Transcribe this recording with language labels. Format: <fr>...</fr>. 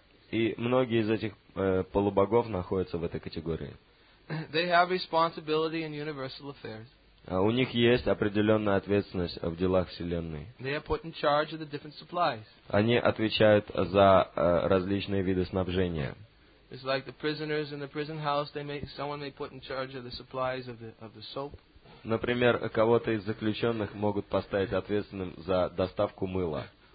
<ru>И многие из этих полубогов находятся в этой категории.</ru> <en>They have responsibility in universal affairs.</en> <ru>У них есть определенная ответственность в делах Вселенной.</ru> <en>They are put in charge of the different supplies.</en> <ru>Они отвечают за различные виды снабжения.</ru> <en>It's like the prisoners in the prison house, someone may put in charge of the supplies of the soap.</en> <ru>Например, кого-то из заключенных могут поставить ответственным за доставку мыла.</ru>